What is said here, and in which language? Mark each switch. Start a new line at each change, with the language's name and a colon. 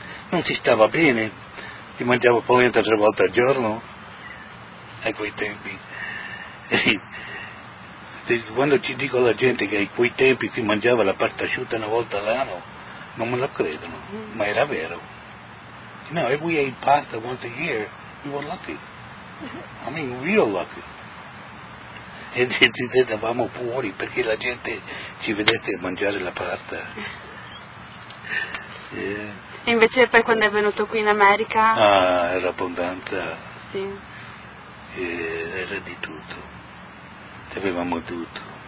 Italian: Non si stava bene, si mangiava polenta 3 volte al giorno, a quei tempi. Quando ci dico alla gente che a quei tempi si mangiava la pasta asciutta una volta all'anno, non me lo credono, ma era vero.
English: No, if we ate pasta once a year, we were lucky. Real lucky.
Italian: E ci andavamo fuori perché la gente ci vedesse mangiare la pasta. E invece poi quando è venuto qui in America? Ah, era abbondanza. Sì. Era di tutto. Avevamo tutto.